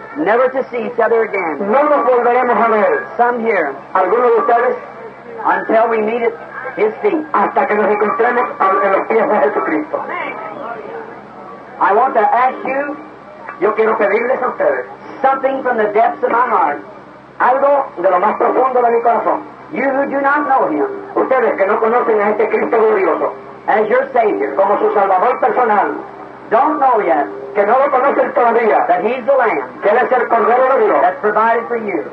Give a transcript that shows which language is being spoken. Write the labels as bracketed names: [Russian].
[English] Never to see each other again. [Spanish] No nos volveremos a ver. [English] Some here. [Spanish] Algunos de ustedes. [English] Until we meet at his feet. [Spanish] Hasta que nos encontremos en los pies de Jesucristo. [English] I want to ask you, [Spanish] yo quiero pedirles a ustedes, [English] something from the depths of my heart, [Spanish] algo de lo más profundo de mi corazón. [English] You who do not know him, [Spanish] ustedes que no conocen a este Cristo glorioso, [English] as your Savior, [Spanish] como su Salvador personal, [English] don't know yet, [Spanish] que no lo conocen todavía, [English] that he's the Lamb, [Spanish] que él es el Cordero de Dios, [English] that's provided for you,